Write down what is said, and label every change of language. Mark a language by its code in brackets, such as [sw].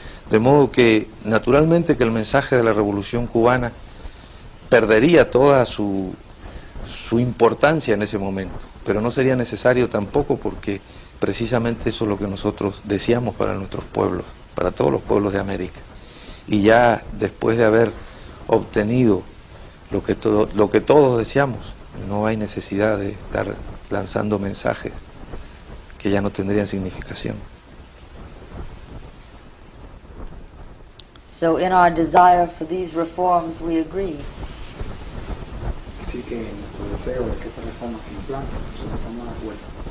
[es] De modo que, naturalmente, que el mensaje de la Revolución Cubana perdería toda su importancia en ese momento, pero no sería necesario tampoco, porque precisamente eso es lo que nosotros deseamos para nuestros pueblos, para todos los pueblos de América. Y ya después de haber obtenido lo que todos deseamos, no hay necesidad de estar lanzando mensajes que ya no tendrían significación. [en] So in our desire for these reforms, we agree. [es] Así que nuestro deseo es que estas reformas se implanten, se pongan a cuenta.